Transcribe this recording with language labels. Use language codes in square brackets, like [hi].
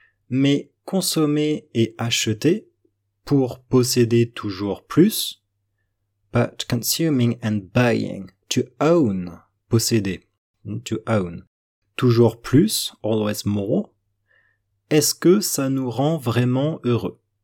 [fr] Mais consommer et acheter pour posséder toujours plus. [en] But consuming and buying, to own, posséder, to own. [fr] Toujours plus, [en] always more. [fr] Est-ce que ça nous rend vraiment heureux?